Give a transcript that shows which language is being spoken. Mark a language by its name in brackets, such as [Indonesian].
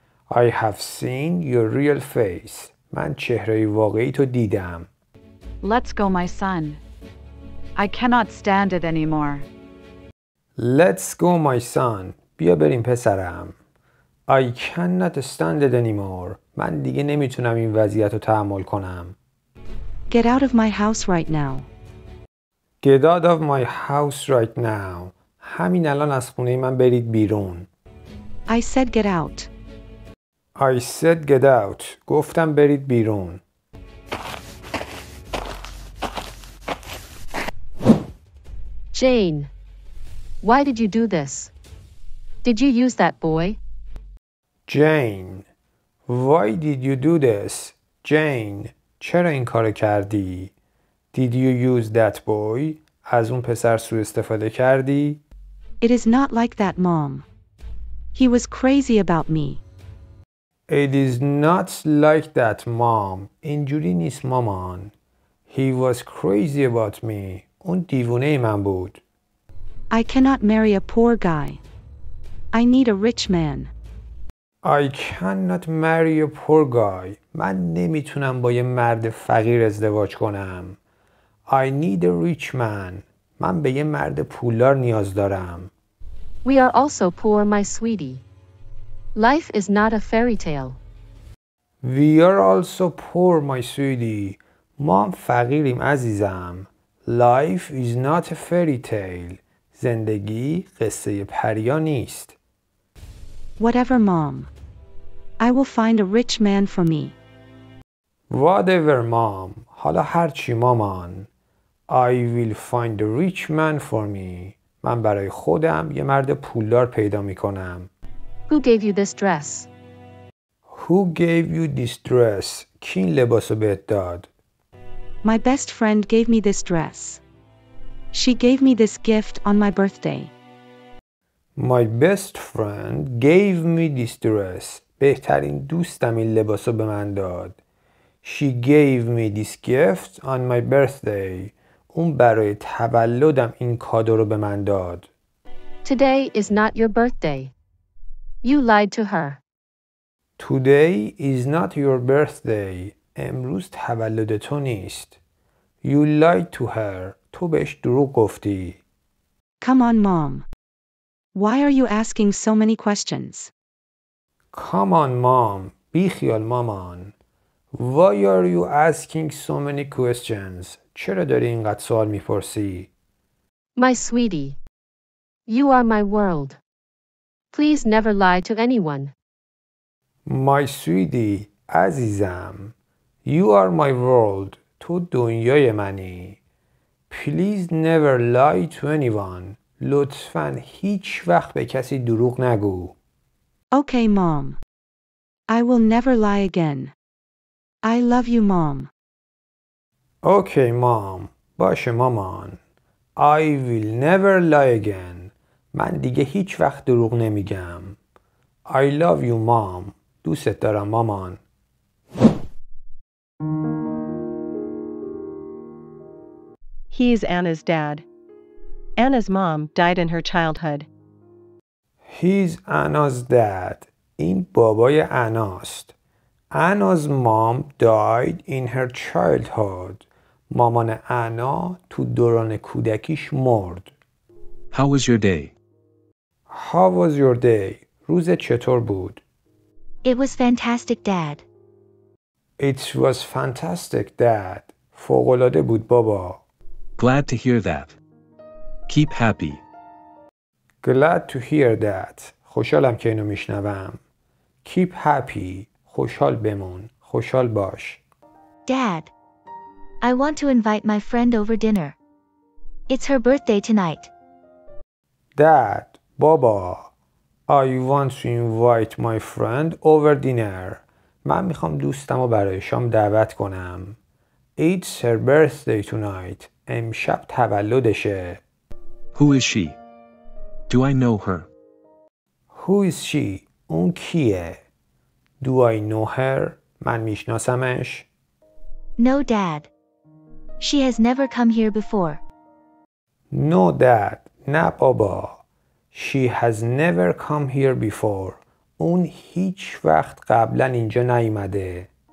[English] I have seen your real face. [Persian] من چهره واقعی تو دیدم. [English] Let's go, my son. I cannot stand it anymore. Let's go, my son. [Persian] بیا بریم پسرم. [English] I cannot stand it anymore. [Persian] من دیگه نمیتونم این وضعیت رو تحمل کنم. [English] Get out of my house right now. Get out of my house right now. [Persian] همین الان از خونه من برید بیرون. [English] I said get out. I said get out. [Persian] گفتم برید بیرون. [English] Jane, why did you do this? Did you use that boy? Jane, why did you do this? Jane, [Persian] چرا این کارو کردی؟ [English] Did you use that boy? [Persian] از اون پسر سوء استفاده کردی؟ [English] It is not like that, mom. He was crazy about me. It is not like that, mom. [Persian] اینجوری نیست مامان. [English] He was crazy about me. [Persian] اون دیوونه من بود. [English] I cannot marry a poor guy. I need a rich man. I cannot marry a poor guy. [Persian] من نمیتونم با یه مرد فقیر ازدواج کنم. [English] I need a rich man. [Persian] من به یه مرد پولدار نیاز دارم. [English] We are also poor, my sweetie. Life is not a fairy tale. We are also poor, my sweetie. [Persian] ما هم فقیریم عزیزم. [English] Life is not a fairy tale. [Persian] زندگی قصه پریا نیست. [English] Whatever, mom. I will find a rich man for me. Whatever, mom. [Persian] حالا هر چی مامان. [English] I will find a rich man for me. [Persian] من برای خودم یه مرد پولدار پیدا میکنم. [English] Who gave you this dress? Who gave you this dress? [Persian] کی این لباسو بهت داد؟ [English] My best friend gave me this dress. She gave me this gift on my birthday. My best friend gave me this dress. [Persian] بهترین دوستم این لباسو به من داد. [English] She gave me this gift on my birthday. [Persian] اون برای تولدم این کادو رو به من داد. [English] Today is not your birthday. You lied to her. Today is not your birthday. [Persian] امروز تولد تو نیست. [English] You lied to her. [Persian] تو بهش دروغ گفتی. [English] Come on, mom. Why are you asking so many questions? Come on, mom. [Persian] بی خیال مامان. [English] Why are you asking so many questions? [Persian] چرا داری اینقدر سوال میپرسی؟ [English] My sweetie. You are my world. Please never lie to anyone. My sweetie, [Persian] عزیزم. [English] You are my world. [Persian] تو دنیای منی. [English] Please never lie to anyone. [Persian] لطفاً هیچ وقت به کسی دروغ نگو. [English] Okay, mom. I will never lie again. I love you, mom. Okay, mom. [Persian] باشه مامان. [English] I will never lie again. [Persian] من دیگه هیچ وقت دروغ نمیگم. [English] I love you, mom. [Persian] دوستت دارم مامان. [English] He is Anna's dad. Anna's mom died in her childhood. He's Anna's dad. [Persian] این بابای آناست. [English] Anna's mom died in her childhood. [Persian] مامان آنا تو دوران کودکیش مرد. [English] How was your day? How was your day? [Persian] روز چطور بود؟ [English] It was fantastic, Dad. It was fantastic, Dad. [Persian] فوق‌العاده بود بابا. [English] Glad to hear that. Keep happy. Glad to hear that. [Persian] خوشحالم که اینو میشنوم. [English] Keep happy. [Persian] خوشحال بمون. خوشحال باش. [English] Dad, I want to invite my friend over dinner. It's her birthday tonight. Dad, [Persian] بابا. [English] I want to invite my friend over dinner. [Persian] من میخوام دوستمو برای شام دعوت کنم. [English] It's her birthday tonight. [Persian] امشب تولدشه. [English] Who is she? Do I know her? Who is she? [Persian] اون کیه؟ [English] Do I know her? [Persian] من میشناسمش؟ [English] No, Dad. She has never come here before. No, Dad. [Persian] نه بابا. [English] She has never come here before. [Persian] اون هیچ وقت قبلا اینجا نیومده.